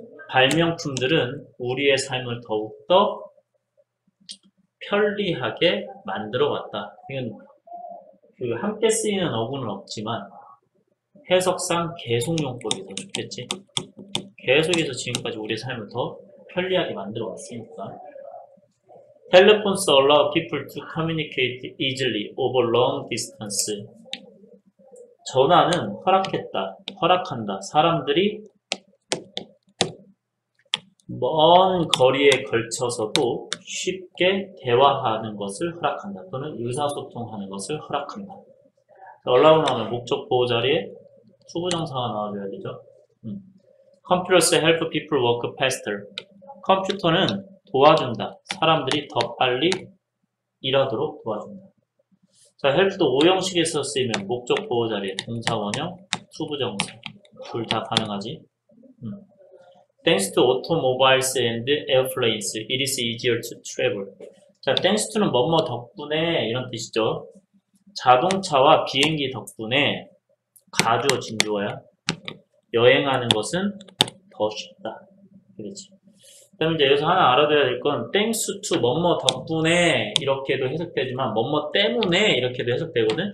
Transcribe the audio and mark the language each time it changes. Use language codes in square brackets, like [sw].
[ko] 발명품들은 우리의 삶을 더욱더 편리하게 만들어 왔다. 이건 그 함께 쓰이는 어구는 없지만 해석상 계속용법이다. 그렇겠지? 계속해서 지금까지 우리 삶을 더 편리하게 만들어 왔으니까. [en] Telephones allow people to communicate easily over long distance. [ko] 전화는 허락한다. 사람들이 먼 거리에 걸쳐서도 쉽게 대화하는 것을 허락한다. 또는 의사소통하는 것을 허락한다. allow 나오면 목적 보호 자리에 수구정사가 나와줘야 되죠. [en] Computers help people work faster. [ko] 컴퓨터는 도와준다. 사람들이 더 빨리 일하도록 도와준다. 자, help도 오형식에서 쓰이면 목적 보호 자리에 동사원형, 수구정사. 둘다 가능하지. [en] Thanks to automobiles and airplanes, it is easier to travel. [ko] 자, thanks to는 뭐뭐 덕분에 이런 뜻이죠. 자동차와 비행기 덕분에 가주어 진주어야 여행하는 것은 더 쉽다. 그렇지. 그다음에 이제 여기서 하나 알아둬야 될건 thanks to 뭐뭐 덕분에 이렇게도 해석되지만 뭐뭐 때문에 이렇게도 해석되거든.